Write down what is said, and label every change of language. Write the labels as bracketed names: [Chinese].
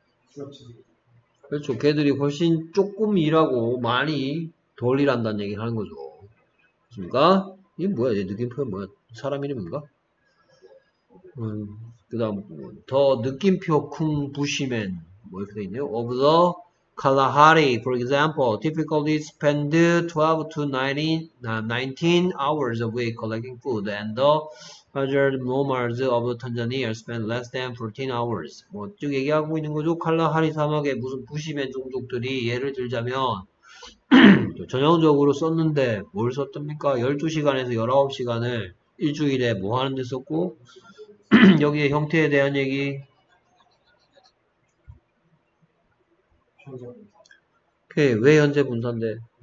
[Korean] 수렵채집 그렇죠. 걔들이 훨씬 조금 일하고 많이 덜 일한다는 얘기를 하는 거죠. 그러니까 이게 뭐야? 얘 느낌표 뭐야? 사람 이름인가? 그다음 더 느낌표 쿵 부시맨 뭐 이렇게 돼 있네요. [English] Of the Kalahari, for example, typically spend 12 to 19 hours a week collecting food, and the hazard nomads of Tanzania spend less than 14 hours. [Korean] 뭐, 쭉 얘기하고 있는 거죠. 칼라하리 사막에 무슨 부시맨 종족들이 예를 들자면, 전형적으로 썼는데, 뭘 썼답니까? 12시간에서 19시간을 일주일에 뭐 하는 데 썼고, 여기에 형태에 대한 얘기, 오케이, 왜 현재 분사인데?